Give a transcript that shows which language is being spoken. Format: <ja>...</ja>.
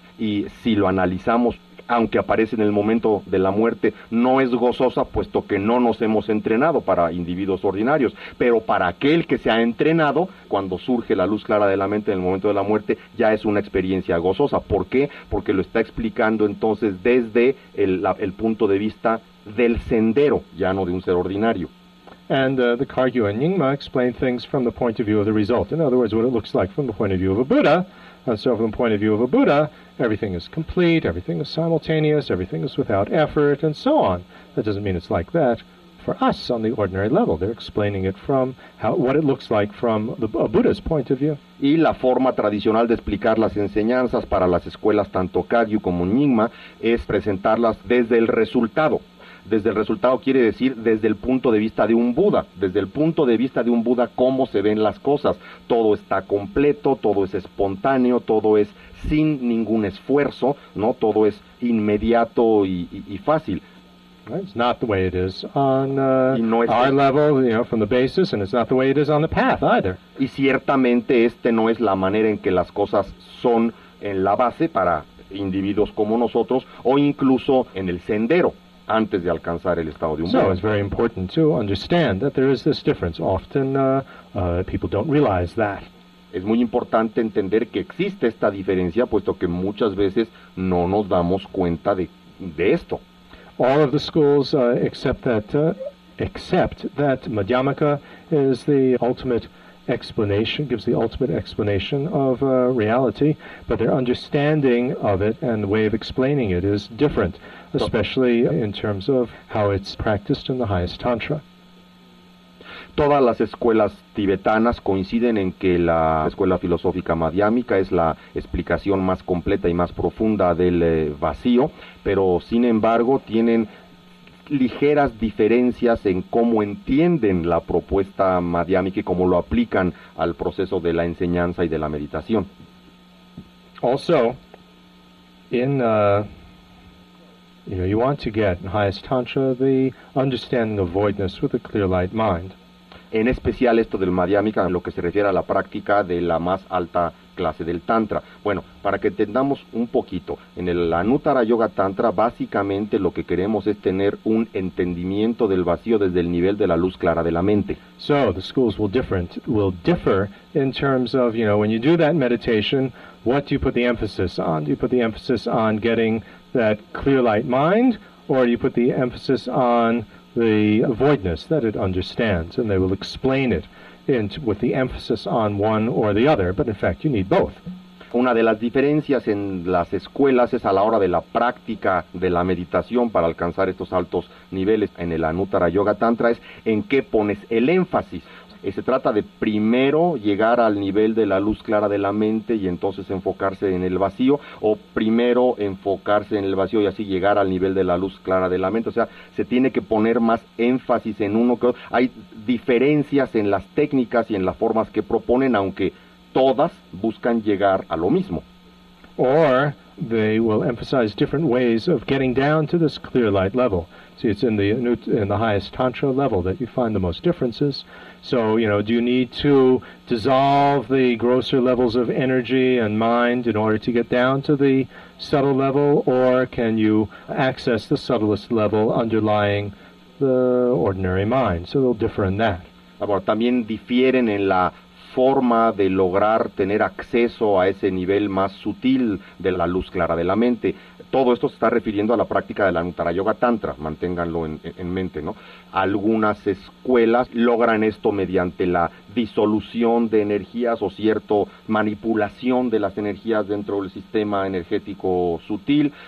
<es>Y si lo analizamos, aunque aparece en el momento de la muerte, no es gozosa, puesto que no nos hemos entrenado para individuos ordinarios. Pero para aquel que se ha entrenado, cuando surge la luz clara de la mente en el momento de la muerte, ya es una experiencia gozosa. ¿Por qué? Porque lo está explicando entonces desde el punto de vista del sendero, ya no de un ser ordinario.</es> <en>And the Kagyu and Nyingma explain things from the point of view of the result. In other words, what it looks like from the point of view of a Buddha. And so from the point of view of a Buddha, everything is complete, everything is simultaneous, everything is without effort, and so on. That doesn't mean it's like that for us on the ordinary level. They're explaining it from what it looks like from a Buddha's point of view.</en> <es>Y la forma tradicional de explicar las enseñanzas para las escuelas, tanto Kagyu como Nyingma, es presentarlas desde el resultado. Desde el resultado quiere decir desde el punto de vista de un Buda. Desde el punto de vista de un Buda, ¿cómo se ven las cosas? Todo está completo, todo es espontáneo, todo es sin ningún esfuerzo, ¿no? Todo es inmediato y fácil.</es> <en>It's not the way it is on our level, you know, from the basis, and it's not the way it is on the path either.</en> <es>Y ciertamente este no es la manera en que las cosas son en la base para individuos como nosotros, o incluso en el sendero. Antes de alcanzar el estado de un buen.</es> <en>So it's very important to understand that there is this difference. Often people don't realize that.</en> <es>Es muy importante entender que existe esta diferencia, puesto que muchas veces no nos damos cuenta de esto.</es> <en>All of the schools accept that Madhyamaka is the ultimate explanation, gives the ultimate explanation of reality, but their understanding of it and the way of explaining it is different. Especially in terms of how it's practiced in the highest tantra.</en> <es>Todas las escuelas tibetanas coinciden en que la escuela filosófica madhyámica es la explicación más completa y más profunda del vacío, pero sin embargo tienen ligeras diferencias en cómo entienden la propuesta madhyámica y cómo lo aplican al proceso de la enseñanza y de la meditación.</es> <en>Also, you know, you want to get in highest tantra the understanding of voidness with a clear light mind.</en> <es>En especial esto del madhyamika, en lo que se refiere a la práctica de la más alta clase del tantra. Bueno, para que entendamos un poquito, en el Anuttara Yoga Tantra, básicamente lo que queremos es tener un entendimiento del vacío desde el nivel de la luz clara de la mente.</es> <en>So, the schools will differ in terms of, you know, when you do that meditation, what do you put the emphasis on? Do you put the emphasis on getting that clear light mind, or you put the emphasis on the voidness that it understands, and they will explain it with the emphasis on one or the other, but in fact you need both.</en> <es>Una de las diferencias en las escuelas es a la hora de la práctica de la meditación para alcanzar estos altos niveles en el Anuttara Yoga Tantra es en qué pones el énfasis. Se trata de primero llegar al nivel de la luz clara de la mente y entonces enfocarse en el vacío, o primero enfocarse en el vacío y así llegar al nivel de la luz clara de la mente. O sea, se tiene que poner más énfasis en uno que otro. Hay diferencias en las técnicas y en las formas que proponen, aunque todas buscan llegar a lo mismo.</es> <en>Or they will emphasize different ways of getting down to this clear light level. See, it's in the highest tantra level that you find the most differences. So, you know, do you need to dissolve the grosser levels of energy and mind in order to get down to the subtle level, or can you access the subtlest level underlying the ordinary mind? So they'll differ in that.</en> <es>Ahora, también difieren en la forma de lograr tener acceso a ese nivel más sutil de la luz clara de la mente. Todo esto se está refiriendo a la práctica de la Anuttara Yoga Tantra, manténganlo en mente, ¿no? Algunas escuelas logran esto mediante la disolución de energías o cierto manipulación de las energías dentro del sistema energético sutil.</es>